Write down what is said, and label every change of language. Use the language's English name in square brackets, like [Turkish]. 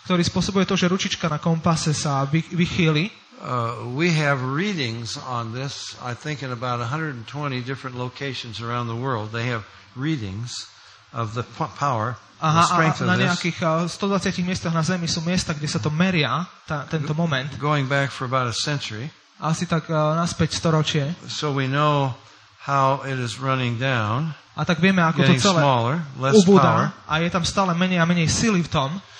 [Slovak] Ktorý spôsobuje to, že ručička na kompase sa vychýli. [English] We have readings on this, I think, in about 120 different locations around the world. They have readings of the power, aha, the strength of this. [Slovak] Na nejakých 120 miestach na Zemi sú miesta, kde sa to meria, tento moment. [English] Going back for about a century. [Slovak] Asi tak naspäť storočie. [English] So we know how it is running down. [Slovak] A tak vieme, ako [English] getting [Slovak] to celé [English] smaller, less [Slovak] ubúda, [English] power. [Slovak] A je tam stále menej a menej sily v tom.